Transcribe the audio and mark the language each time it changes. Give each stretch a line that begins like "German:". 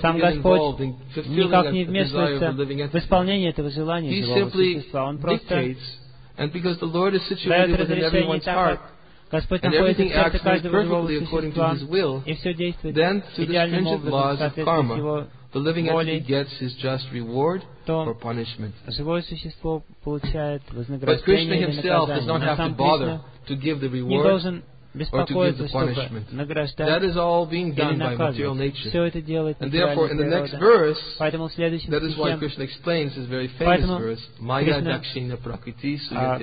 Russian: Сам Господь никак не вмешивается в исполнение этого желания живого существа. Он просто дает разрешение так, как Господь находится в сердце каждого живого существа, и все действует идеальным образом, соответственно, с Его
English: The living entity gets his just reward or punishment.
Russian: Живое существо получает вознаграждение или наказание.
English: But Krishna himself does not have to bother to give the reward or to give the punishment. That is all being done by material nature. And therefore, in the next verse, that is why Krishna explains his very famous verse, Maya Dakshina Prakriti Suyate